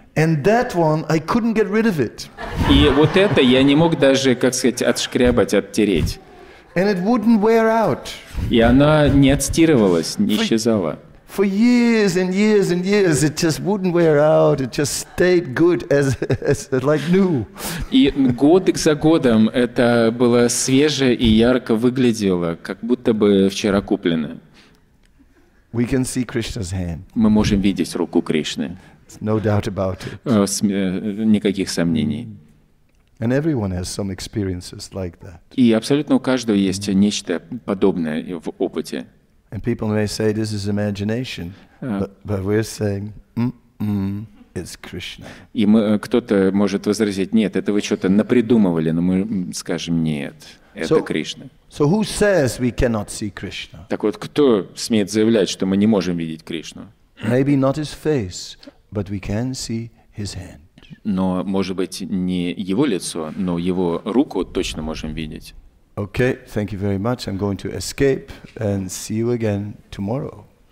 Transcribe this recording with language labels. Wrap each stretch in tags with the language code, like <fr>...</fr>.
<en>And that one, I couldn't get rid of it.</en> <ru>И вот это я не мог даже, как сказать, отшкрябать, оттереть.</ru> <en>And it wouldn't wear out.</en> <ru>И она не отстирывалась, не исчезала.</ru> <en>For years and years and years, it just wouldn't wear out. It just stayed good as like new.</en> <ru>И годы за годом это было свежее и ярко выглядело, как будто бы вчера куплено.</ru> <en>We can see Krishna's hand.</en> <ru>Мы можем видеть руку Кришны.</ru> <en>No doubt about it.</en> <ru>Никаких сомнений.</ru> <en>And everyone has some experiences like that.</en> <ru>И абсолютно у каждого есть нечто подобное в опыте.</ru> <en>And people may say this is imagination, but we're saying, it's Krishna.</en> <ru>И мы, кто-то может возразить: нет, это вы что-то напридумывали, но мы скажем: нет, это so, Кришна.</ru> <en>So who says we cannot see Krishna?</en> <ru>Так вот, кто смеет заявлять, что мы не можем видеть Кришну?</ru> <en>Maybe not his face, but we can see his hand.</en> <ru>Но, может быть, не его лицо, но его руку точно можем видеть.</ru> <en>Okay, thank you very much. I'm going to escape and see you again tomorrow.</en>